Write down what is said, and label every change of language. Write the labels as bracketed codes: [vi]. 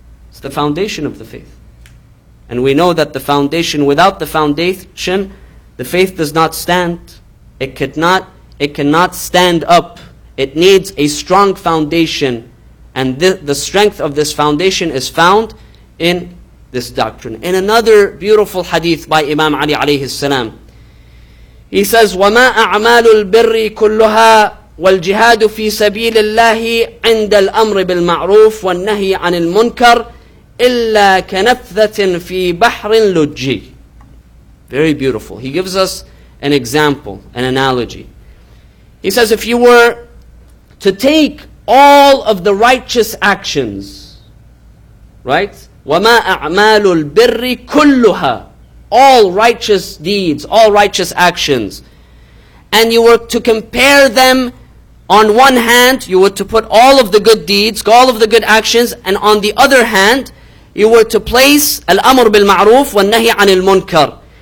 [en] It's the foundation of the faith. And we know that the foundation, without the foundation, the faith does not stand. It cannot stand up. It needs a strong foundation. And the strength of this foundation is found in this doctrine. In another beautiful hadith by Imam Ali alayhi salam, he says, [ar] وَمَا أَعْمَالُ الْبِرِّ كُلُّهَا وَالْجِهَادُ فِي سَبِيلِ اللَّهِ عِنْدَ الْأَمْرِ بِالْمَعْرُوفِ وَالنَّهِي عَنِ الْمُنْكَرِ إِلَّا كَنَفْذَةٍ فِي بَحْرٍ لُجِّي. [en] Very beautiful. He gives us an example, an analogy. He says, if you were to take all of the righteous actions, right? [ar] وَمَا أَعْمَالُ الْبِرِّ كُلُّهَا, [en] all righteous deeds, all righteous actions, and you were to compare them, on one hand, you were to put all of the good deeds, all of the good actions, and on the other hand, you were to place [ar] al-amr bil-ma'roof wa nahi anil munkar.